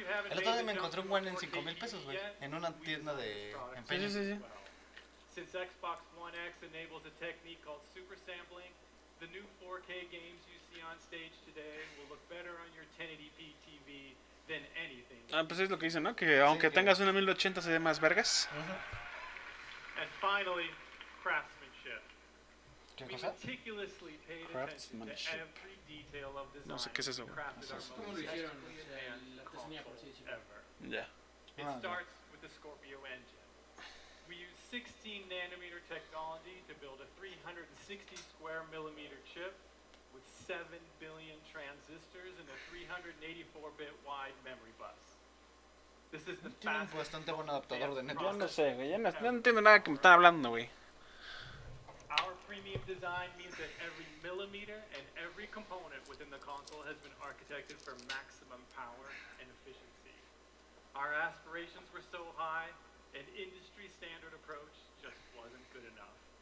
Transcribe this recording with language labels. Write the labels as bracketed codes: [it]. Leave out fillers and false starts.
[es] El otro día me encontré un guante en 5 mil pesos, güey. En una tienda de empeño. Sí, sí, sí. [en] Since Xbox One X enables a technique called super sampling, the new 4K games you see on stage today will look better on your 1080p TV than anything. [es] Ah, pues es lo que dicen, ¿no? Que aunque sí, tengas una 1080 se ve más vergas. [en] And finally, craftsmanship. [es] ¿Qué cosa? [en] Meticulously paid attention to every detail of design. [es] No sé qué es eso. ¿Cómo lo hicieron? La tenía por sí. Ya. [en] It starts with the Scorpio engine. We use 16 nanometer technology to build a 360 square millimeter chip with 7 billion transistors and a 384 bit wide memory bus. [es] Tiene un bastante buen adaptador de Netflix. Yo no sé, güey. Yo no entiendo nada que me están hablando, güey. [en] Our premium design means that every millimeter and every component within the console has been architected for maximum power and efficiency. Our aspirations were so high, an industry standard approach just wasn't good enough.